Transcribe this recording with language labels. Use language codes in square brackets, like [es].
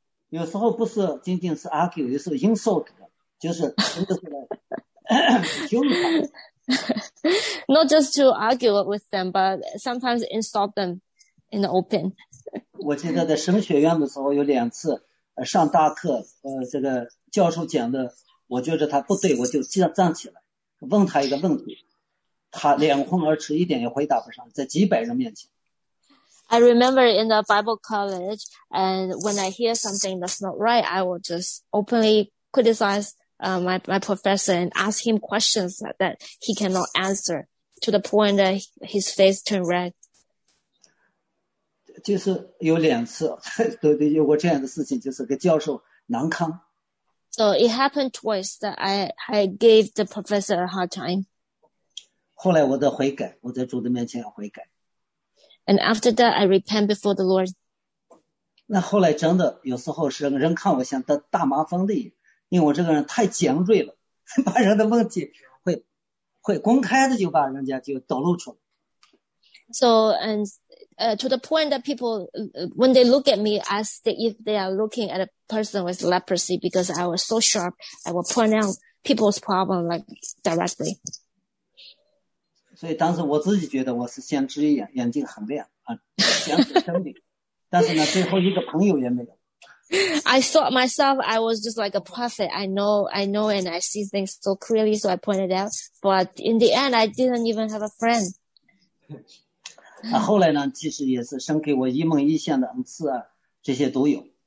[zh] 有时候不是仅仅是 argue, 有时候 insult, 就是真的 [en] 是Not just to argue with them, but sometimes insult them in the open. [zh] 我记得在神学院的时候有两次上大课这个教授讲的我觉得他不对我就站起来问他一个问题。他脸红耳赤一点也回答不上在几百人面前。 [en] I remember in the Bible college, and when I hear something that's not right, I will just openly criticize my professor and ask him questions that he cannot answer to the point that his face turned red. [zh] 就是有两次，对对，有过这样的事情，就是给教授难堪。 [en] So it happened twice that I gave the professor a hard time. [zh] 后来我的悔改，我在主的面前悔改。 [en] And after that, I repent before the Lord. [zh] 那后来真的有时候是人看我像大麻风的，因为我这个人太尖锐了，把人的问题会公开的就把人家就抖露出来。 [en] So and to the point that people when they look at me, ask if they are looking at a person with leprosy because I was so sharp, I will point out people's problem like directly. [zh] 所以当时我自己觉得我是先知一样，眼睛很亮啊，先知真理。但是呢，最后一个朋友也没有。 [en] I thought myself I was just like a prophet. I know, and I see things so clearly. So I pointed out, but in the end, I didn't even have a friend. [zh] 那后来呢？其实也是神给我一梦一现的恩赐啊，这些都有。